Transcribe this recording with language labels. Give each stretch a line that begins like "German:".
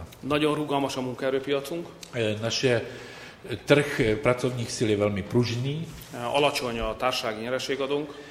Hungarian: Nagyon rugalmas a munkaerőpiacunk.
Czech: Naše trh pracovních sil je velmi pružný.
Hungarian: Alacsony a társasági nyereségadónk.